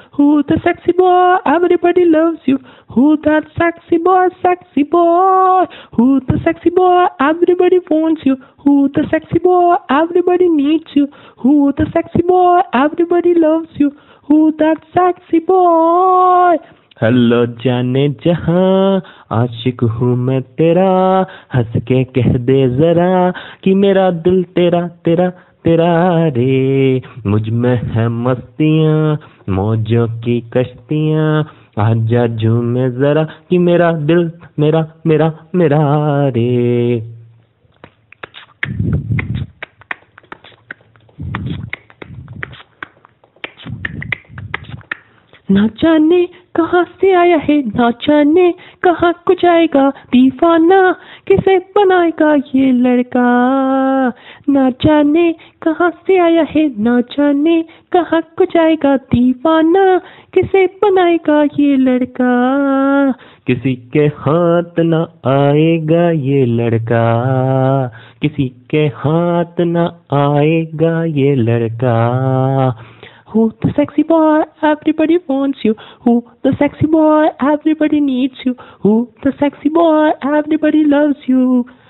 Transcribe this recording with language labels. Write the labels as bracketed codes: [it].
[en] Who the sexy boy everybody loves you? Who that sexy boy, sexy boy? Who the sexy boy everybody wants you? Who the sexy boy everybody needs you? Who the sexy boy everybody loves you? Who that sexy boy? [hi] Hello जाने जहां, आशिक हूँ मैं तेरा, हंस के कह दे जरा कि मेरा दिल तेरा तेरा तेरा रे। मुझ में है मस्तियां, मौजों की कश्तियां, आजा झूमे जरा कि मेरा दिल मेरा मेरा मेरा रे। ना जाने कहाँ से आया है, ना जाने कहाँ को जाएगा दीवाना किसे बनाएगा ये लड़का, ना जाने कहाँ से आया है, ना जाने कहाँ को जाएगा दीवाना किसे बनाएगा ये लड़का, किसी के हाथ ना आएगा ये लड़का, किसी के हाथ ना आएगा ये लड़का। [en] Who the sexy boy everybody wants you? Who the sexy boy everybody needs you? Who the sexy boy everybody loves you?